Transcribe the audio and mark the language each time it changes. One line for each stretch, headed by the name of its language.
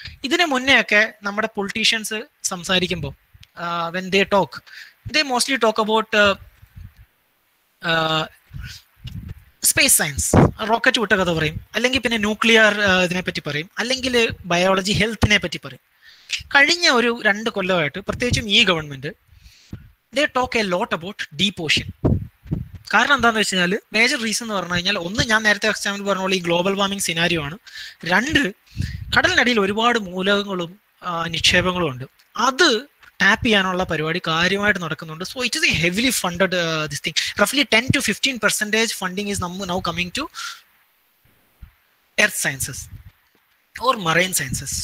Malayalam: ഇതിനു മുന്നേ ഒക്കെ നമ്മുടെ പൊളിറ്റീഷ്യൻസ് സംസാരിക്കുമ്പോൾ,
English: when they talk, they mostly talk about space science,
Malayalam: rocket വിട്ട കഥ പറയും, അല്ലെങ്കിൽ പിന്നെ ന്യൂക്ലിയർ ഇതിനെ പറ്റി പറയും, അല്ലെങ്കിൽ ബയോളജി ഹെൽത്തിനെ പറ്റി പറയും. കഴിഞ്ഞ ഒരു 2 കൊല്ലമായിട്ട് പ്രത്യേകിച്ചും ഈ government
English: they talk a lot about deep ocean.
Malayalam: കാരണം എന്താണെന്ന് വെച്ച് കഴിഞ്ഞാൽ, മേജർ റീസൺ എന്ന് പറഞ്ഞു കഴിഞ്ഞാൽ, ഒന്ന്, ഞാൻ നേരത്തെ എക്സാമ്പിൾ പറഞ്ഞ പോലെ ഈ ഗ്ലോബൽ വാർമിംഗ് സിനാരിയോ ആണ്. 2, കടലിനടിയിൽ ഒരുപാട് മൂലകങ്ങളും നിക്ഷേപങ്ങളും ഉണ്ട്. അത് ടാപ്പ് ചെയ്യാനുള്ള പരിപാടി കാര്യമായിട്ട് നടക്കുന്നുണ്ട്.
English: So it is A heavily funded this thing റഫ്ലി 10-15% funding is നമ്മൾ now coming to earth sciences or marine sciences.